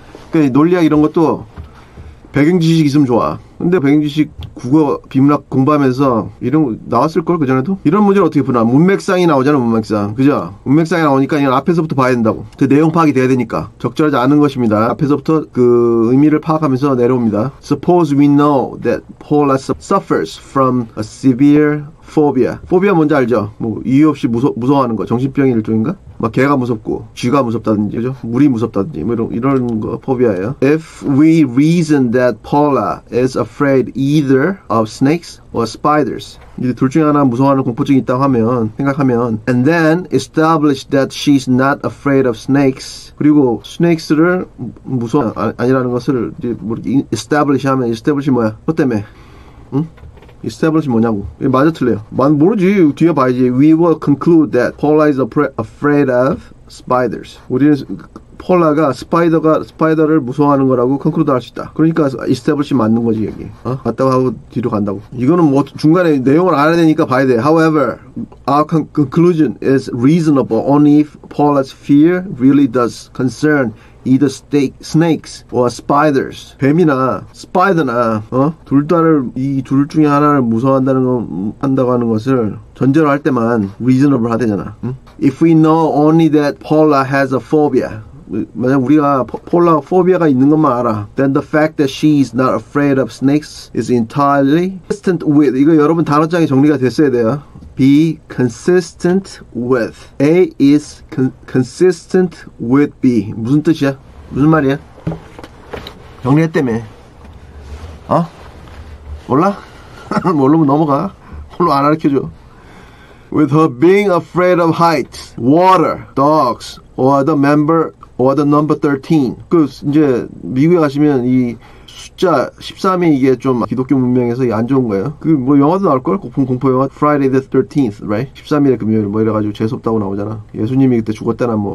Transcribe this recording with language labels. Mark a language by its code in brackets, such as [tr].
[ko] 그러니까 논리학 이런 것도 배경 지식 있으면 좋아. 근데 배경 지식 국어 비문학 공부하면서 이런 거 나왔을 걸 그전에도 이런 문제를 어떻게 푸나. 문맥상이 나오잖아. 문맥상 그죠? 문맥상이 나오니까 이건 앞에서부터 봐야 된다고. 그 내용 파악이 돼야 되니까 적절하지 않은 것입니다. 앞에서부터 그 의미를 파악하면서 내려옵니다. [en] Suppose we know that Paula suffers from a severe phobia. [ko] Phobia 뭔지 알죠? 뭐 이유 없이 무서워하는 거. 정신병이 일종인가? 막 개가 무섭고 쥐가 무섭다든지 그죠? 물이 무섭다든지 뭐 이런 거 포비아예요. [en] If we reason that Paula is afraid either of snakes or spiders. [ko] 이제 둘 중에 하나 무서워하는 공포증이 있다고 하면 생각하면 [en] and then establish that she's not afraid of snakes. [ko] 그리고 snakes를 무서워 아니라는 것을 이제 establish 하면 establish 뭐야? 그것 때문에 응? establish 뭐냐고. 맞아 틀려요? 난 모르지. 뒤에 봐야지. [en] We will conclude that Paula is afraid of spiders. [ko] 우리는 폴라가 스파이더를 무서워하는 거라고 conclude 할 수 있다. 그러니까 establish 맞는 거지 여기. 어? 맞다고 하고 뒤로 간다고. 이거는 뭐 중간에 내용을 알아야 되니까 봐야 돼. [en] However, our conclusion is reasonable only if Paula's fear really does concern either snakes or spiders. [ko] 뱀이나 스파이더나 어? 둘 다를 이 둘 중에 하나를 무서워한다는 거 한다고 하는 것을 전제로 할 때만 reasonable 해야 되잖아. 응? [en] If we know only that Paula has a phobia. [ko] 만약 우리가 폴라 포비아가 있는 것만 알아. [en] Then the fact that she is not afraid of snakes is entirely consistent with. [ko] 이거 여러분 단어장이 정리가 됐어야 돼요. [en] Be consistent with. A is consistent with B. [ko] 무슨 뜻이야? 무슨 말이야? 정리했다며. 어? 몰라? 모르면 넘어가. 폴로 안 알려줘. [en] With her being afraid of heights, water, dogs, or the member or the number 13. [ko] 그 이제 미국에 가시면 이 숫자 13이 이게 좀 기독교 문명에서 안 좋은 거예요. 그 뭐 영화도 나올 걸? 공포 영화 [en] Friday the 13th, right? [ko] 13일의 금요일 뭐 이래 가지고 재수 없다고 나오잖아. 예수님이 그때 죽었다나 뭐.